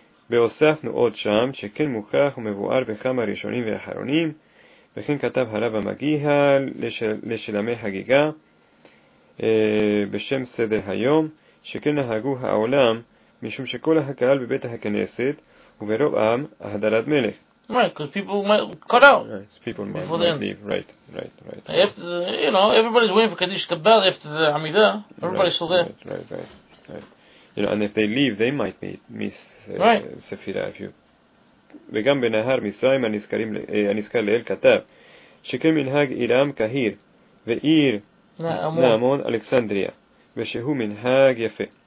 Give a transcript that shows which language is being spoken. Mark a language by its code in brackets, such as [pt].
[he] והוספנו עוד שם, שכן מוכח ומבואר בכמה ראשונים ואחרונים, וכן כתב הרב המגיה לשלמי חגיגה, בשם סדר היום, שכן נהגו העולם, משום שכל הקהל בבית הכנסת, וברוב עם, הדרת מלך. [en] Right, because people might cut out. Right, so people might the leave. Right. After the, you know, everybody's waiting for Kaddish Kabbal after the Amidah. Everybody's right, still there. Right. You know, and if they leave, they might miss Sefirah of you. [he] וגם בנהר מצרים הנזכר לאל כתב, שכן מנהג עירם קהיר ועיר נעמון אלכסנדריה, ושהוא מנהג יפה.